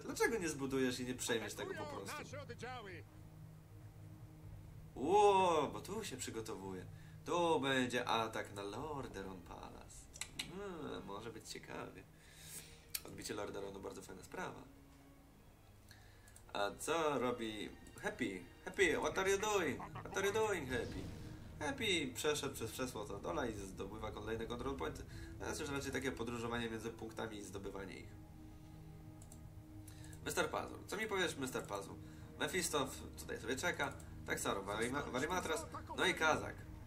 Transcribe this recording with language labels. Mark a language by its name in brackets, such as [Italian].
[Polish] Dlaczego nie zbudujesz i nie przejmiesz tego po prostu? Nasze oddziały! Uuu, bo tu się przygotowuje. Tu będzie atak na Lordaeron Palace. Może być ciekawie. Odbicie Lordaeronu, bardzo fajna sprawa. A co robi Happy? [English] Happy, what are you doing? What are you doing, Happy? [Polish] Happy przeszedł przez przesło do dola i zdobywa kolejne control pointy. To jest już raczej takie podróżowanie między punktami i zdobywanie ich. Mr. Puzzle. Co mi powiesz, Mr. Puzzle? Mephisto tutaj sobie czeka. Tak samo, Varimatras. No i Kazak.